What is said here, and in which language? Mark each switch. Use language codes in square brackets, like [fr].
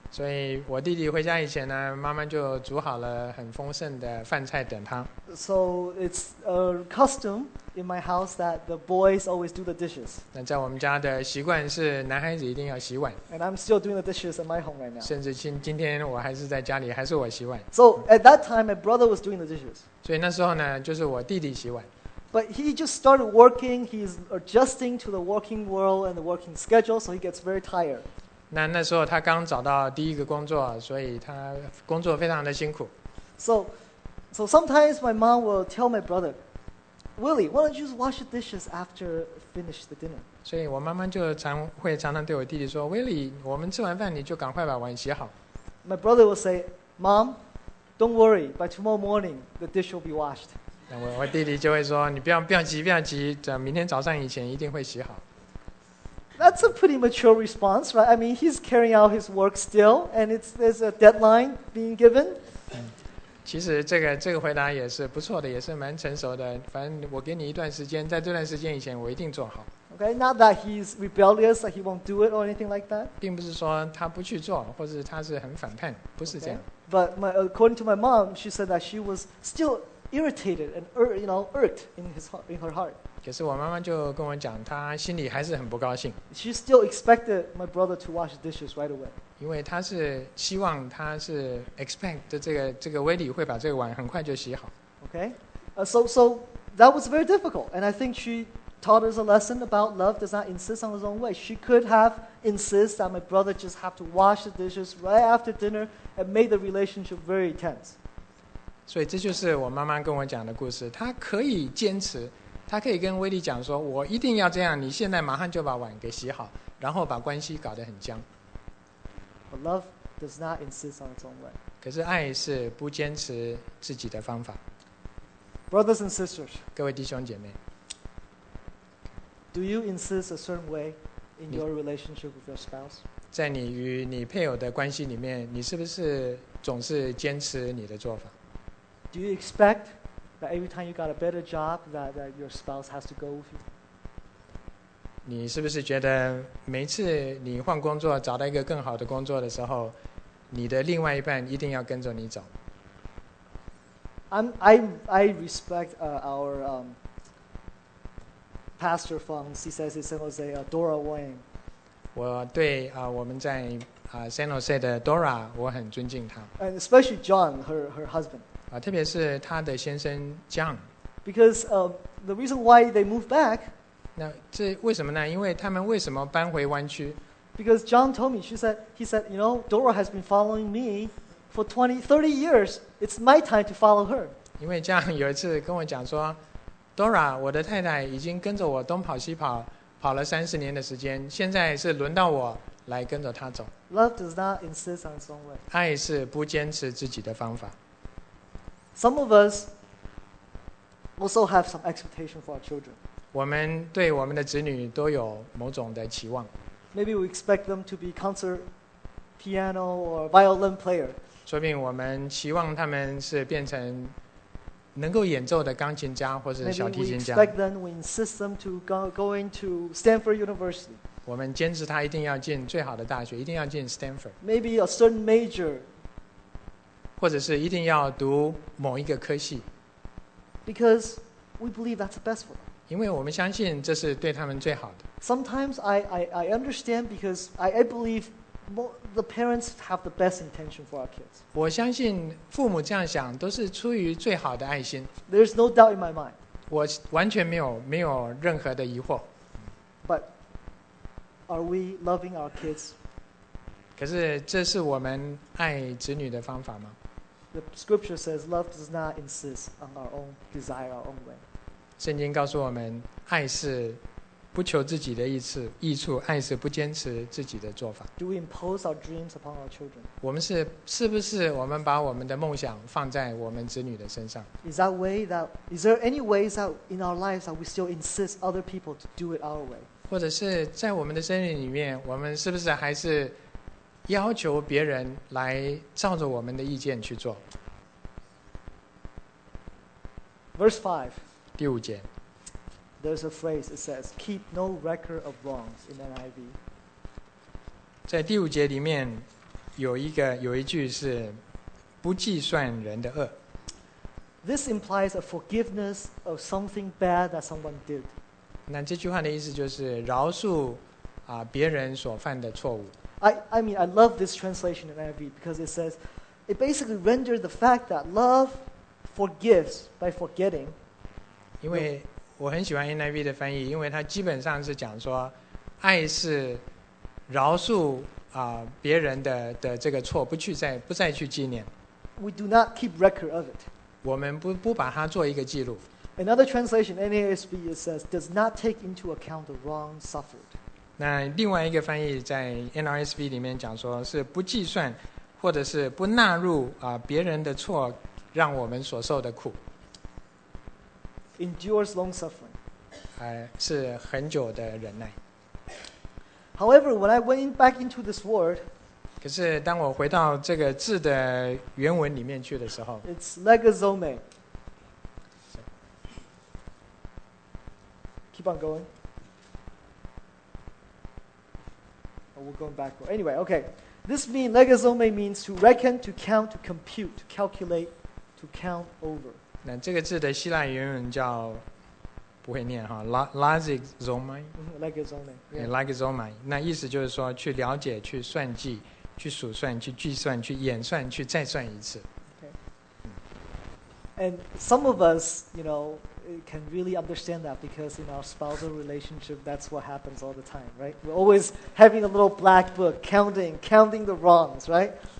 [zh] 所以我弟弟回家以前呢，妈妈就煮好了很丰盛的饭菜等他。 [en] So it's a custom in my house that the boys always do the dishes. [zh] 那在我们家的习惯是男孩子一定要洗碗。 [en] And I'm still doing the dishes in my home right now. [zh] 甚至今天我还是在家里，还是我洗碗。 [en] So at that time, my brother was doing the dishes. [zh] 所以那时候呢，就是我弟弟洗碗。 [en] But he just started working. He's adjusting to the working world and the working schedule, so he gets very tired. [zh] 那时候他刚找到第一个工作，所以他工作非常的辛苦。 [en] So sometimes my mom will tell my brother, Willie, why don't you just wash the dishes after finish the dinner? [zh] 所以我妈妈就常常对我弟弟说 ，Willie, 我们吃完饭你就赶快把碗洗好。 [en] My brother will say, Mom, don't worry, by tomorrow morning the dish will be washed. [zh] 那我弟弟就会说，你不要急，等明天早上以前一定会洗好。 [en] That's a pretty mature response, right? I mean, he's carrying out his work still, and there's a deadline being given. [zh] 其实这个回答也是不错的，也是蛮成熟的。反正我给你一段时间，在这段时间以前，我一定做好。 [en] Okay, not that he's rebellious, that he won't do it or anything like that. [zh] 并不是说他不去做，或者他是很反叛，不是这样。 [en] Okay. But according to my mom, she said that she was still irritated and irked in her heart. [zh] 可是我妈妈就跟我讲，她心里还是很不高兴。 [en] She still expected my brother to wash dishes right away. [zh] 因为她是希望，她是 expect 的这个威利会把这个碗很快就洗好。 [en] Okay, so that was very difficult, and I think she taught us a lesson about love does not insist on its own way. She could have insist that my brother just have to wash the dishes right after dinner and made the relationship very tense. [zh] 所以这就是我妈妈跟我讲的故事，她可以坚持。他可以跟威利讲说，我一定要这样，你现在马上就把碗给洗好，然后把关系搞得很僵。 [en] But love does not insist on its own way. [zh] 可是爱是不坚持自己的方法。 [en] Brothers and sisters, [zh] 各位弟兄姐妹， [en] Do you insist a certain way in your relationship with your spouse? [zh] 在你与你配偶的关系里面，你是不是总是坚持你的做法？ [en] Do you expect that every time you got a better job, that your spouse has to go with you? [zh] 你是不是觉得每次你换工作，找到一个更好的工作的时候，你的另外一半一定要跟着你走？ [en] I respect our pastor from CCIC San Jose, Dora Wang. [zh] 我对我们在San Jose 的 Dora， 我很尊敬她。 [en] And especially John, her husband. [zh] 特别是他的先生 John， [en] because the reason why they moved back， [zh] 那这为什么呢？因为他们为什么搬回湾区？ [en] Because John told me， he said you know Dora has been following me for 20-30 years， it's my time to follow her。 [zh] 因为 John 有一次跟我讲说， Dora 我的太太已经跟着我东跑西跑跑了30年的时间，现在是轮到我来跟着他走。 [en] Love does not insist on its own way， [zh] 爱是不坚持自己的方法。 [en] Some of us also have some expectation for our children. [zh] 我们对我们的子女都有某种的期望。 [en] Maybe we expect them to be concert piano or violin player. [zh] 说不定我们期望他们是变成能够演奏的钢琴家或是小提琴家。 [en] Maybe we expect them, we insist them to go into Stanford University. [zh] 我们坚持他一定要进最好的大学，一定要进 Stanford. [en] Maybe a certain major. [zh] 或者是一定要读某一个科系， [en] because we believe that's best for them. [zh] 因为我们相信这是对他们最好的。 [en] Sometimes I understand because I believe the parents have the best intention for our kids. [zh] 我相信父母这样想都是出于最好的爱心。 [en] There's no doubt in my mind. [zh] 我完全没有任何的疑惑。 [en] But are we loving our kids? [zh] 可是这是我们爱子女的方法吗？ [en] The scripture says love does not insist on our own desire, our own way. [zh] 圣经告诉我们，爱是不求自己的益处，爱是不坚持自己的做法。 [en] Do we impose our dreams upon our children? [zh] 我们是不是我们把我们的梦想放在我们子女的身上？ [en] Is there any ways that in our lives that we still insist other people to do it our way? [zh] 或者是在我们的生命里面，我们是不是还是要求别人来照着我们的意见去做。 [en] Verse 5， [zh] 第五节。 [en] There's a phrase it says, "Keep no record of wrongs" in NIV. [zh] 在第五节里面，有一句是不计算人的恶。 [en] This implies a forgiveness of something bad that someone did. [zh] 那这句话的意思就是饶恕别人所犯的错误。 [en] I love this translation in NIV because it says, it basically renders the fact that love forgives by forgetting. [zh] 因为我很喜欢 NIV 的翻译，因为它基本上是讲说，爱是饶恕别人的这个错，不再去纪念。 [en] We do not keep record of it. [zh] 我们不把它做一个记录。 [en] Another translation, NASB, it says, does not take into account the wrong suffered. [zh] 那另外一个翻译在 NRSV 里面讲说是不计算，或者是不纳入别人的错，让我们所受的苦。 [en] Endures long suffering. [zh] 是很久的忍耐。 [en] However, when I went back into this word, [zh] 可是当我回到这个字的原文里面去的时候， [en] it's legazome. Keep on going. Oh, we're going back. Anyway, okay. This means, legazome means to reckon, to count, to compute, to calculate, to count over. [zh] 那这个字的希腊原文叫不会念哈 ，legazomai，legazomai， 那意思就是说去了解、去算计、去数算、去计算、去演算、去再算一次。 [en] Okay. And some of us, you know, can really understand that because in our spousal relationship, that's what happens all the time, right? We're always having a little black book, counting the wrongs, right?